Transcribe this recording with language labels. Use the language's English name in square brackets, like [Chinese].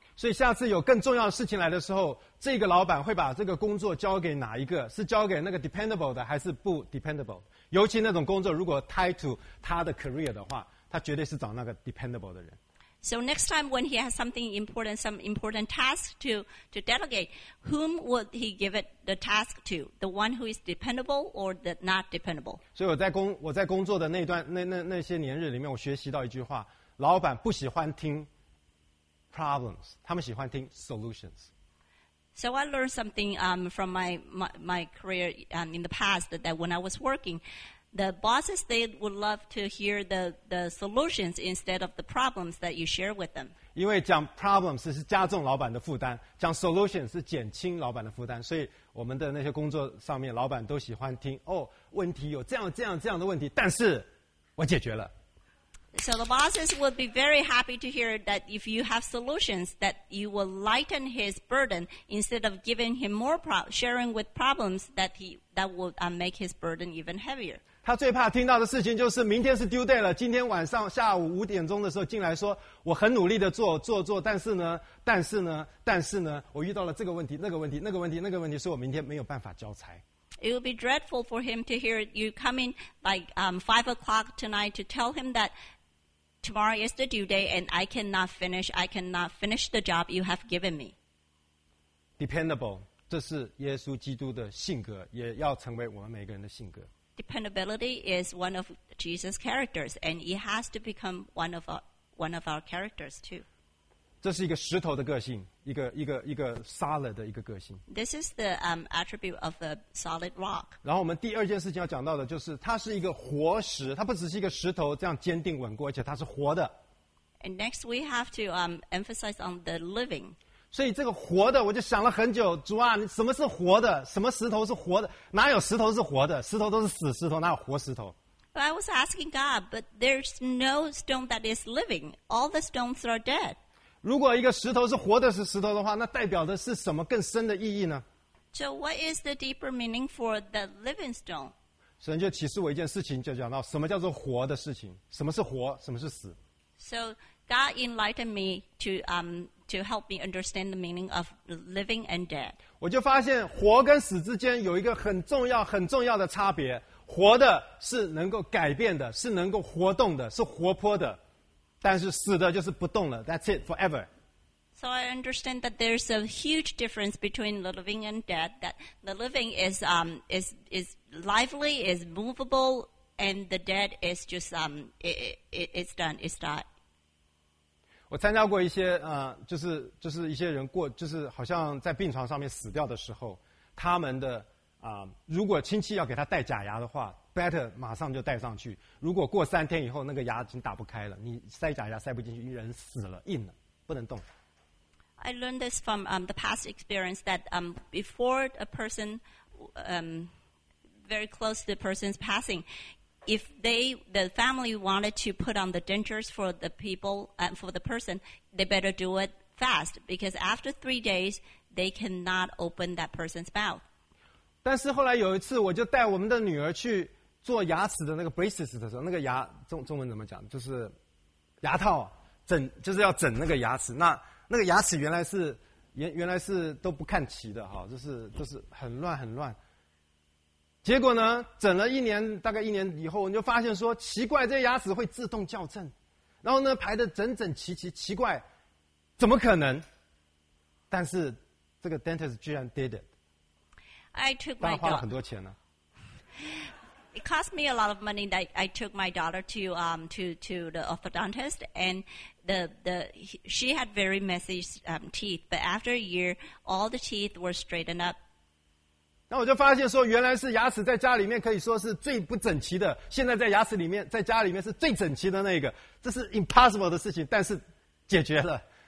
[Chinese] 所以下次有更重要的事情来的时候，这个老板会把这个工作交给哪一个？是交给那个 dependable 的，还是不 dependable？ 尤其那种工作如果 [English] tied to [Chinese] 他的 career 的话，他绝对是找那个 dependable 的人。 [English] So next time when he has something important, some important task to delegate, whom would he give it the task to? The one who is dependable or the not dependable? [Chinese] 所以我在工作的那些年日里面，我学习到一句话：老板不喜欢听。 [English] Problems. [Chinese] 他们喜欢听 solutions. [English] So I learned something from my career in the past that when I was working, the bosses they would love to hear the solutions instead of the problems that you share with them. [Chinese] 因为讲 problems 是加重老板的负担，讲 solutions 是减轻老板的负担。所以我们的那些工作上面，老板都喜欢听哦，问题有这样的问题，但是我解决了。 [English] So the bosses would be very happy to hear that if you have solutions, that you will lighten his burden instead of giving him more sharing with problems that would make his burden even heavier. [Chinese] 他最怕听到的事情就是明天是 due day 了，今天晚上下午五点钟的时候进来说，我很努力的做，但是呢，我遇到了这个问题，那个问题，所以我明天没有办法交差。 [English] It would be dreadful for him to hear you coming like 5 o'clock tonight to tell him that. Tomorrow is the due day, and I cannot finish the job you have given me. [Chinese] Dependable, 这是耶稣基督的性格，也要成为我们每个人的性格。 [English] Dependability is one of Jesus' characters, and it has to become one of our characters too. [Chinese] 这是一个石头的个性，一个 solid 的一个个性。 [English] This is the attribute of a solid rock. [Chinese] 然后我们第二件事情要讲到的就是，它是一个活石，它不只是一个石头这样坚定稳固，而且它是活的。 [English] And next, we have to emphasize on the living. [Chinese] 所以这个活的，我就想了很久，主啊，什么是活的？什么石头是活的？哪有石头是活的？石头都是死石头，哪有活石头？ [English] I was asking God, but there's no stone that is living. All the stones are dead. [Chinese] 如果一个石头是活的是石头的话，那代表的是什么更深的意义呢 [English] ？So what is the deeper meaning for the living stone？ [Chinese] 神就启示我一件事情，就讲到什么叫做活的事情，什么是活，什么是死。 [English] So God enlightened me to help me understand the meaning of living and dead。 [Chinese] 我就发现活跟死之间有一个很重要的差别，活的是能够改变的，是能够活动的，是活泼的。但是死的就是不动了 [English] That's it, forever. So I understand that there's a huge difference between the living and dead, that the living is lively, is movable, and the dead is just, it's done, it's died. [Chinese] 我参加过一些、就是一些人过就是好像在病床上面死掉的时候他们的、如果亲戚要给他戴假牙的话 [English] better [Chinese] 马上就戴上去如果过三天以后那个牙已经打不开了你塞假牙塞不进去人死了硬了不能动 [English] I learned this from、the past experience that、before a person、very close to the person's passing if they the family wanted to put on the dentures for the people、for the person they better do it fast because after 3 days they cannot open that person's mouth [Chinese] 但是后来有一次我就带我们的女儿去做牙齿的那个 braces 的时候那个牙 中文怎么讲就是牙套整就是要整那个牙齿那个牙齿原来是都不看齐的哈就是很乱很乱结果呢整了一年大概一年以后我就发现说奇怪这牙齿会自动矫正然后呢排得整整齐齐奇怪怎么可能但是这个 dentist 居然 [English] did it I took my [Chinese] 当然花了很多钱呢 [English] It cost me a lot of money that I took my daughter to the orthodontist and she had very messy teeth but after a year all the teeth were straightened up [Chinese] 那我就发现说原来是牙齿在家里面可以说是最不整齐的现在在牙齿里面在家里面是最整齐的那个这是 impossible 的事情但是解决了